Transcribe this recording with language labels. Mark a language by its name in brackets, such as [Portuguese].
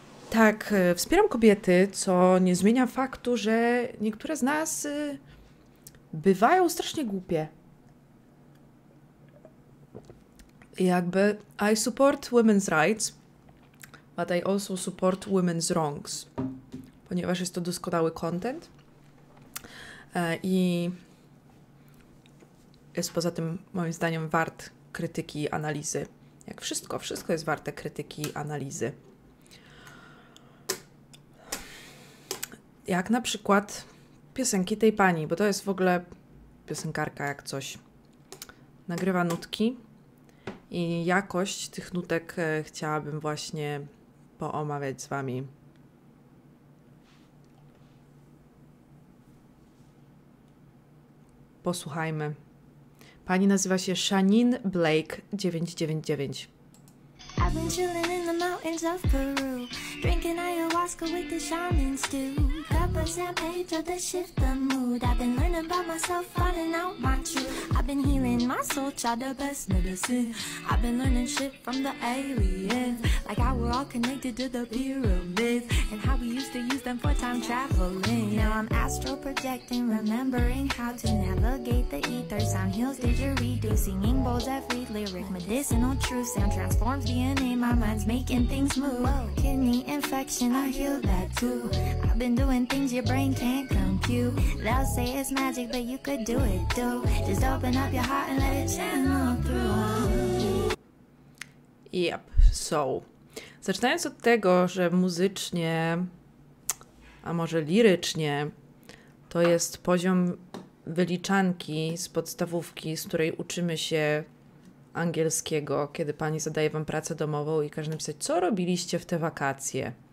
[Polish] Tak, wspieram kobiety, co nie zmienia faktu, że niektóre z nas bywają strasznie głupie. Jakby [English] I support women's rights, but I also support women's wrongs. [Polish] Ponieważ jest to doskonały content. I jest poza tym moim zdaniem wart krytyki i analizy. Jak wszystko, wszystko jest warte krytyki i analizy. Jak na przykład piosenki tej pani, bo to jest w ogóle piosenkarka jak coś. Nagrywa nutki i jakość tych nutek chciałabym właśnie poomawiać z wami. Posłuchajmy. Pani nazywa się Shanine Blake 999. [English] I've been chilling in the mountains of Peru, drinking ayahuasca with the shaman stew. Cup of San Pedro to shift the mood. I've been learning about myself, finding out my truth. I've been healing my soul, tried the best medicine. I've been learning shit from the aliens, like how we're all connected to the pyramids and how we used to use them for time traveling. Now I'm astral projecting, remembering how to navigate the ether. Sound heals didgeridoo, singing bowls every lyric. Medicinal truth, sound transforms the DNA, my mind's making things move. Whoa. Kidney infection, I healed that too. I've been doing things your brain can't compute. They'll say it's magic, but you could do it too. Just open up your heart and let it channel through. Yep, so. [Polish] Zaczynając od tego, że muzycznie, a może lirycznie, to jest poziom wyliczanki z podstawówki, z której uczymy się angielskiego, kiedy pani zadaje wam pracę domową i każe napisać, co robiliście w te wakacje.